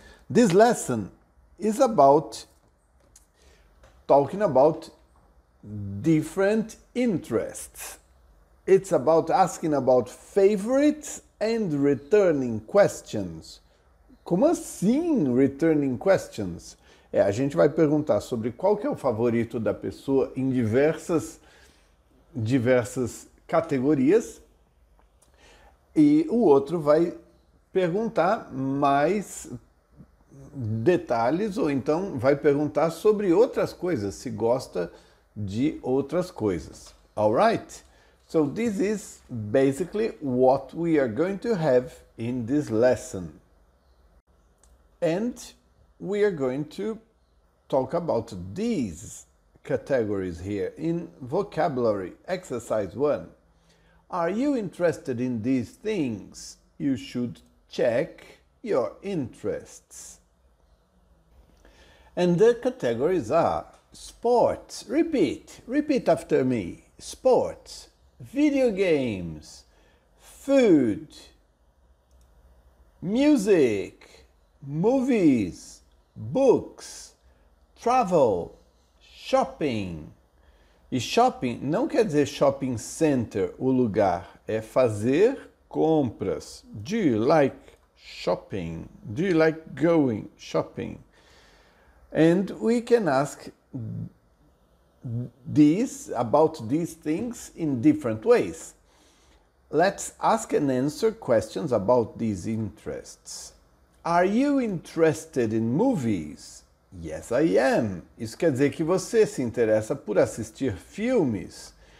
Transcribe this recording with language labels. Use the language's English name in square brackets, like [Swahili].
[English] This lesson is about talking about different interests. It's about asking about favorites and returning questions. [Portuguese] Como assim, [English] returning questions? [Portuguese] É, a gente vai perguntar sobre qual que é o favorito da pessoa em diversas categorias. E o outro vai perguntar mais detalhes, ou então vai perguntar sobre outras coisas, se gosta de outras coisas. [English] All right? So this is basically what we are going to have in this lesson. And we are going to talk about these categories here in vocabulary exercise 1. Are you interested in these things? You should check your interests. And the categories are sports, repeat after me, sports, video games, food, music, movies, books, travel, shopping. [Portuguese] E shopping não quer dizer shopping center, o lugar. É fazer compras. [English] Do you like shopping? Do you like going shopping? And we can ask this about these things in different ways. Let's ask and answer questions about these interests. Are you interested in movies? Yes, I am. [Portuguese] Isso quer dizer que você se interessa por assistir filmes.